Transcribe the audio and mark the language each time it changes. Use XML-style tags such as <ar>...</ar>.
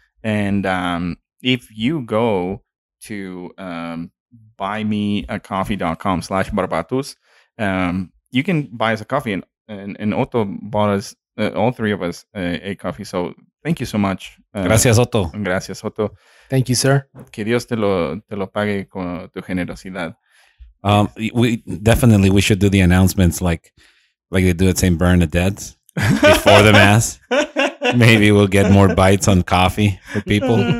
<en>And, if you go to, buymeacoffee.com/barbatus, you can buy us a coffee and Otto bought us, all three of us, a coffee. So thank you so much.</en> <es>Gracias, Otto. Gracias, Otto.</es> <en>Thank you, sir.</en> <es>Que Dios te lo pague con tu generosidad.</es> <en>We should do the announcements like they do at St. Bernadette's before the mass. Maybe we'll get more bites on coffee for people.</en>